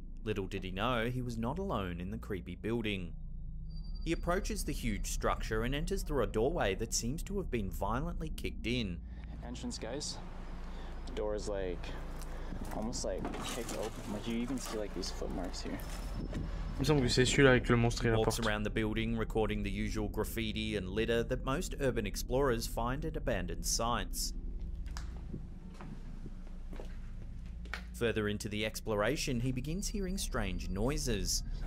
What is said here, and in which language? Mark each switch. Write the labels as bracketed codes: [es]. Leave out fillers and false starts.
[en] Little did he know, he was not alone in the creepy building. He approaches the huge structure and enters through a doorway that seems to have been violently kicked in. Entrance, guys. The door is like, almost like kicked open. Like you even see like these footmarks here. [fr] Il me semble que c'est celui-là avec le monstre et la porte. [en] Walks around the building, recording the usual graffiti and litter that most urban explorers find at abandoned sites. Further into the exploration, he begins hearing strange noises.